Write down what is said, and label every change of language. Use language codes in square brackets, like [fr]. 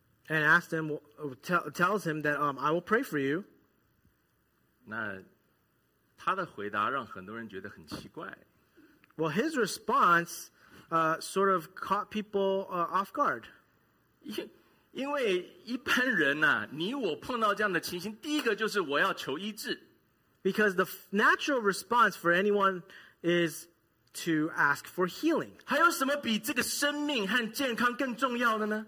[en] And asked him, tells him that I will pray for you. [zh] 那他的回答让很多人觉得很奇怪。 [en] Well, his response sort of caught people off guard. [zh] 因为一般人啊,你我碰到这样的情形,第一个就是我要求医治。 [en] Because the natural response for anyone is to ask for healing. [zh] 还有什么比这个生命和健康更重要的呢?